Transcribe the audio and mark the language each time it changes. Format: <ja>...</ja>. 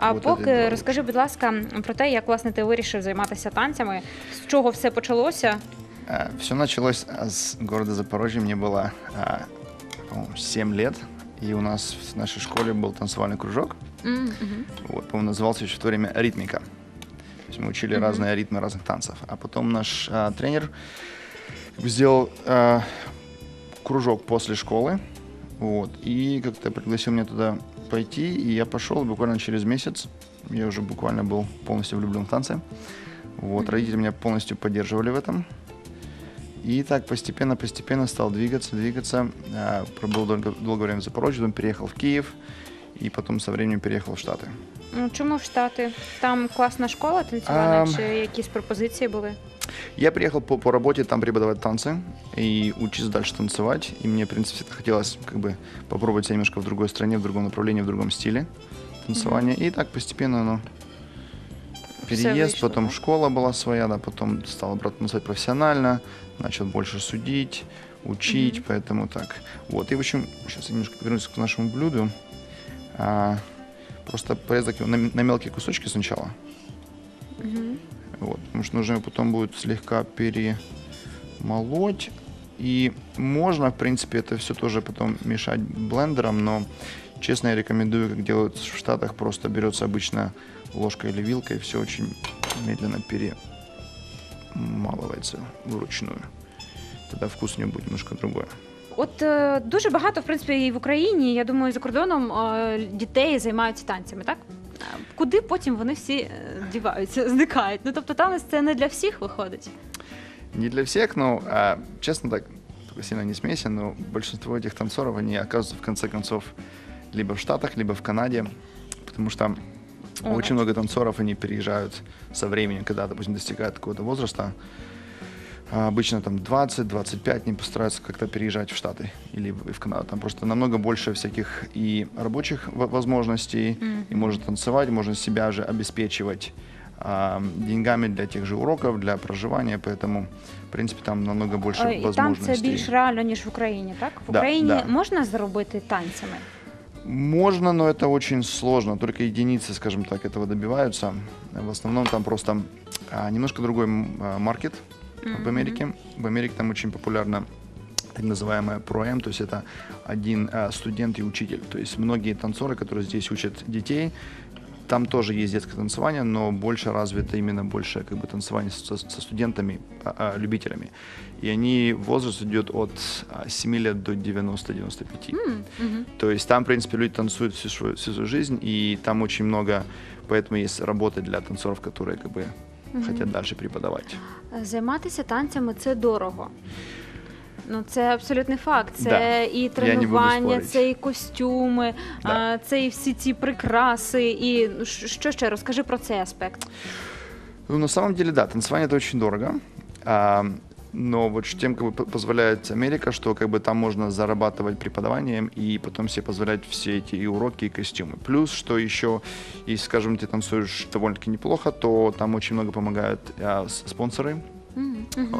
<uk>а поки розкажи, будь ласка, про те, як власне ти вирішив займатися танцями, з чого все почалося.</uk> <ru>Все началось с города Запорожья. Мне было, по-моему, 7 лет. И у нас в нашей школе был танцевальный кружок. Mm-hmm. Вот, по-моему, назывался еще в то время «Ритмика». То есть мы учили разные ритмы разных танцев. А потом наш тренер сделал кружок после школы. Вот, и как-то пригласил меня туда пойти. И я пошел, буквально через месяц. Я уже буквально был полностью влюблен в танцы. Вот, родители меня полностью поддерживали в этом. И так постепенно-постепенно стал двигаться. Пробыл долгое время в Запорожье, потом переехал в Киев и потом со временем переехал в Штаты.</ru> <uk>Ну, чому в Штаты? Там классная школа танцевальная, чи якісь пропозиції були?</uk> <ru>Я приехал по работе там преподавать танцы и учиться дальше танцевать. И мне, в принципе, хотелось как бы попробовать себя немножко в другой стране, в другом направлении, в другом стиле танцевания. Mm-hmm. И так постепенно, ну... переезд, вышло, потом да? Школа была своя, да, потом стал обратно танцевать профессионально, начал больше судить, учить, поэтому так. Вот, и в общем, сейчас я немножко вернусь к нашему блюду. Просто порезать его на мелкие кусочки сначала. Вот, потому что нужно его потом будет слегка перемолоть. И можно, в принципе, это все тоже потом мешать блендером, но честно, я рекомендую, как делают в Штатах, просто берется обычно ложкой или вилкой, все очень медленно перемалывается вручную. Тогда вкус</ru> <uk>у нього буде</uk> <ru>немножко другой.</ru> <uk>От дуже багато, в принципі, і в Україні, я думаю, за кордоном дітей займаються танцями, так? Куди потім вони всі діваються, зникають? Ну, тобто танець – це не для всіх виходить? Не для всіх, ну, чесно так, тільки сильно не смійся, але більшість цих танцорів, вони оказуються, в кінці кінців, либо в Штатах, либо в Канаді, тому що там дуже багато танцорів, вони переїжджають</uk> <ru>со временем,</ru> <uk>коли, допустим, достигають якогось возрасту.</uk> <ru>Обычно там 20-25 не постараются как-то переезжать в Штаты или в Канаду. Там просто намного больше всяких и рабочих возможностей, и можно танцевать, можно себя же обеспечивать деньгами для тех же уроков, для проживания, поэтому, в принципе, там намного больше возможностей. И танцы больше реально, чем в Украине, так? В Украине можно заработать танцами? Можно, но это очень сложно. Только единицы, скажем так, этого добиваются. В основном там просто немножко другой маркет. В Америке там очень популярно так называемое ПРОЭМ, то есть это один студент и учитель. То есть многие танцоры, которые здесь учат детей, там тоже есть детское танцевание, но больше развито именно больше как бы танцевание со студентами, любителями. И они, возраст идет от 7 лет до 90-95. Mm-hmm. То есть там, в принципе, люди танцуют всю свою жизнь, и там очень много, поэтому есть работа для танцоров, которые как бы mm-hmm. хотят дальше преподавать.</ru> <uk>Займатися танцями – це дорого. Ну, це абсолютний факт. Це</uk> <ru>да,</ru> <uk>і тренування, це і костюми, да. Це і всі ці прикраси. І що ще? Розкажи про цей аспект.</uk> <ru>Ну, на самом деле, да,</ru> <uk>танцювання – це дуже дорого.</uk> <ru>Но вот тем, как бы позволяет Америка, что как бы там можно зарабатывать преподаванием и потом себе позволять все эти и уроки, и костюмы. Плюс, что еще, если, скажем, ты танцуешь довольно-таки неплохо, то там очень много помогают спонсоры. Mm-hmm.</ru>